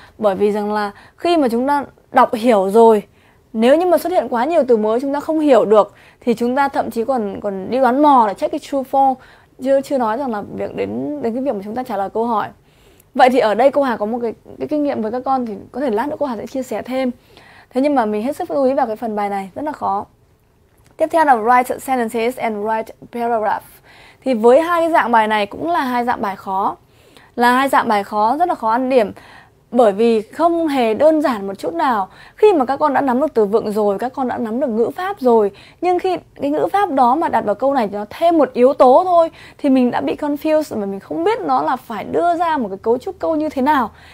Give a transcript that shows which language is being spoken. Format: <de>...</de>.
<vi>Bởi vì rằng là khi mà chúng ta đọc hiểu rồi, nếu như mà xuất hiện quá nhiều từ mới chúng ta không hiểu được thì chúng ta thậm chí còn còn đi đoán mò là check cái true false, chưa chưa nói rằng là việc đến đến cái việc mà chúng ta trả lời câu hỏi. Vậy thì ở đây cô Hà có một cái kinh nghiệm với các con, thì có thể lát nữa cô Hà sẽ chia sẻ thêm. Thế nhưng mà mình hết sức lưu ý vào cái phần bài này, rất là khó. Tiếp theo là</vi> <en>write sentences and write paragraph.</en> <vi>Thì với hai cái dạng bài này cũng là hai dạng bài khó, là hai dạng bài khó rất là khó ăn điểm, bởi vì không hề đơn giản một chút nào. Khi mà các con đã nắm được từ vựng rồi, các con đã nắm được ngữ pháp rồi, nhưng khi cái ngữ pháp đó mà đặt vào câu này nó thêm một yếu tố thôi thì mình đã bị confused và mình không biết nó là phải đưa ra một cái cấu trúc câu như thế nào.</vi>